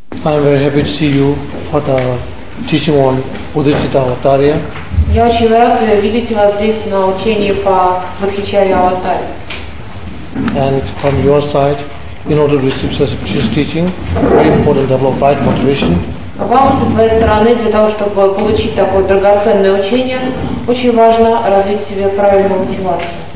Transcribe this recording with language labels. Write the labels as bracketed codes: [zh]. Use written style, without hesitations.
[en] I am very happy to see you for the teaching on Udhichita Avatarya. [ru] Я очень рад видеть вас здесь на учении по Удхичари Аватаре. [en] And from your side, in order to receive such Krishna teaching, very important level of right motivation. [ru] Вам со своей стороны для того, чтобы получить такое драгоценное учение, очень важно развить в себе правильную мотивацию.